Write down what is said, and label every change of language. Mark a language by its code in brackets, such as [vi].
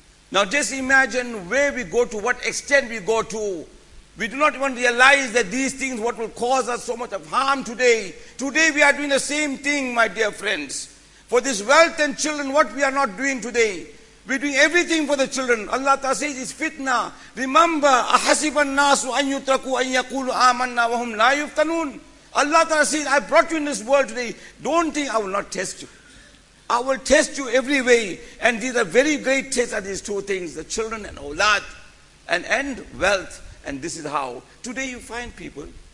[en] Now just imagine where we go to, what extent we go to. We do not even realize that these things, what will cause us so much of harm today. Today we are doing the same thing, my dear friends. For this wealth and children, what we are not doing today. We're doing everything for the children. Allah Ta'ala says it's fitna. Remember, [ar] أَحَسِبَ النَّاسُ أَن يُتْرَكُوا أَن يَقُولُوا آمَنَّا وَهُمْ لَا يُفْتَنُونَ. [en] Allah Ta'ala says, I brought you in this world today. Don't think I will not test you. I will test you every way. And these are very great tests are these two things. The children and awlad. And wealth. And this is how. Today you find people.